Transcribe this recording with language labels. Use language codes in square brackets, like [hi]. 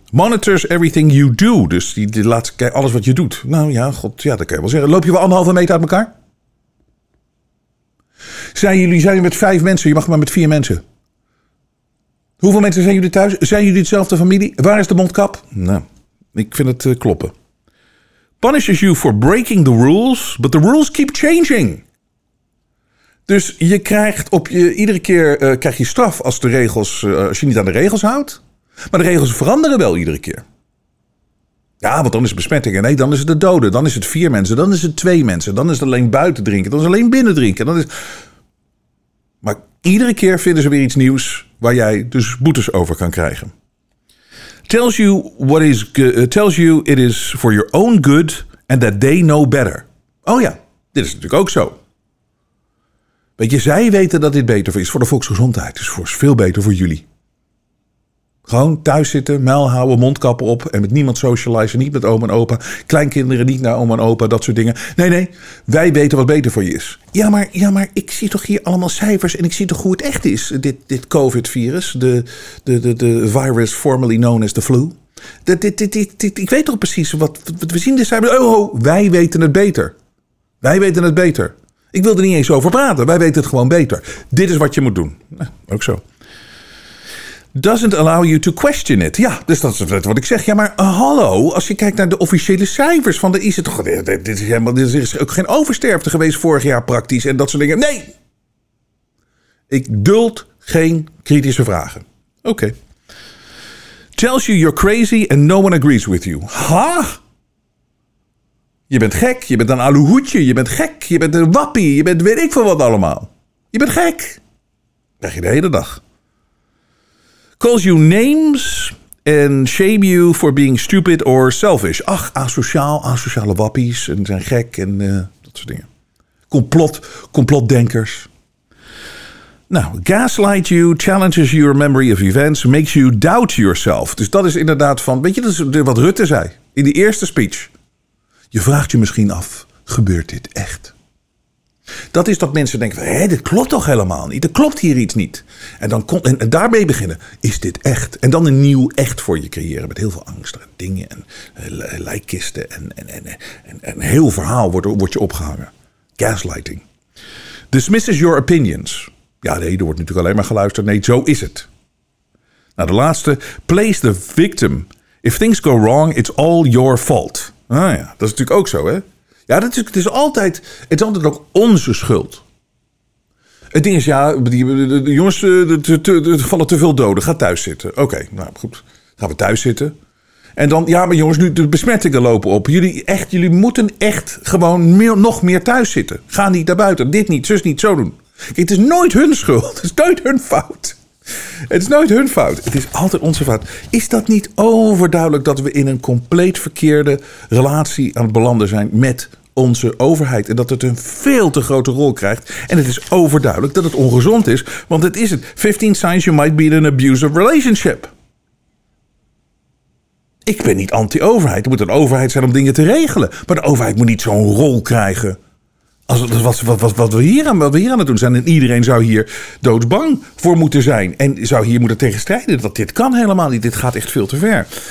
[en] Monitors everything you do. [nl] Dus die laat kijken alles wat je doet. Nou ja, god, ja, dat kan je wel zeggen. Loop je wel 1,5 meter uit elkaar? Zijn jullie met 5 mensen? Je mag maar met 4 mensen. Hoeveel mensen zijn jullie thuis? Zijn jullie dezelfde familie? Waar is de mondkap? Nou, ik vind het kloppen. [en] Punishes you for breaking the rules, but the rules keep changing. [nl] Dus je krijgt iedere keer krijg je straf als de regels als je niet aan de regels houdt. Maar de regels veranderen wel iedere keer. Ja, want dan is het besmetting. Nee, dan is het de doden. Dan is het 4 mensen. Dan is het 2 mensen. Dan is het alleen buiten drinken. Dan is het alleen binnen drinken. Maar iedere keer vinden ze weer iets nieuws. Waar jij dus boetes over kan krijgen. [en] Tells you it is for your own good and that they know better. [nl] Oh ja, dit is natuurlijk ook zo. Weet je, zij weten dat dit beter is voor de volksgezondheid. Het is voor veel beter voor jullie. Gewoon thuis zitten, muil houden, mondkappen op en met niemand socializen. Niet met oom en opa, kleinkinderen niet naar oom en opa, dat soort dingen. Nee, wij weten wat beter voor je is. Ja, maar ik zie toch hier allemaal cijfers en ik zie toch hoe het echt is, dit COVID-virus. De virus [en] formerly known as the flu. [nl] Ik weet toch precies wat we zien, de cijfers. Oh, wij weten het beter. Wij weten het beter. Ik wil er niet eens over praten, wij weten het gewoon beter. Dit is wat je moet doen. Ja, ook zo. [en] Doesn't allow you to question it. [nl] Ja, dus dat is wat ik zeg. Ja, maar hallo, als je kijkt naar de officiële cijfers van de ICT. Dit is ook geen oversterfte geweest vorig jaar praktisch. En dat soort dingen. Nee! Ik duld geen kritische vragen. Oké. Okay. [en] Tells you you're crazy and no one agrees with you. Ha! [nl] Je bent gek, je bent een aluhoedje, je bent gek, je bent een wappie, je bent weet ik veel wat allemaal. Je bent gek. Dat krijg je de hele dag. [en] Calls you names and shame you for being stupid or selfish. [nl] Ach, asociale wappies en zijn gek en dat soort dingen. Complotdenkers. [en] Nou, gaslight you, challenges your memory of events, makes you doubt yourself. [nl] Dus dat is inderdaad van, weet je, dat is wat Rutte zei in die eerste speech. Je vraagt je misschien af, gebeurt dit echt? Dat is dat mensen denken, hé, dit klopt toch helemaal niet? Er klopt hier iets niet. En daarmee beginnen, is dit echt? En dan een nieuw echt voor je creëren met heel veel angst en dingen en lijkkisten en heel verhaal wordt je opgehangen. Gaslighting. [en] Dismisses your opinions. [nl] Ja, nee, er wordt natuurlijk alleen maar geluisterd. Nee, zo is het. Nou, de laatste. [en] Place the victim. If things go wrong, it's all your fault. [nl] Ah ja, dat is natuurlijk ook zo, hè? Ja, het is altijd ook onze schuld. Het ding is, ja, de jongens, er vallen te veel doden. Ga thuis zitten. Oké, nou goed. Gaan we thuis zitten. En dan, ja, maar jongens, nu de besmettingen lopen op. Jullie moeten echt gewoon nog meer thuis zitten. Ga niet naar buiten. Dit niet, zus niet, zo doen. Kijk, het is nooit hun schuld. Het is nooit hun fout. Het is altijd onze fout. Is dat niet overduidelijk dat we in een compleet verkeerde relatie aan het belanden zijn met onze overheid. En dat het een veel te grote rol krijgt. En het is overduidelijk dat het ongezond is. Want het is het. [en] 15 signs you might be in an abusive relationship. [nl] Ik ben niet anti-overheid. Er moet een overheid zijn om dingen te regelen. Maar de overheid moet niet zo'n rol krijgen. Als het, wat we hier aan het doen zijn. En iedereen zou hier doodsbang voor moeten zijn. En zou hier moeten tegenstrijden. Dat dit kan helemaal niet. Dit gaat echt veel te ver.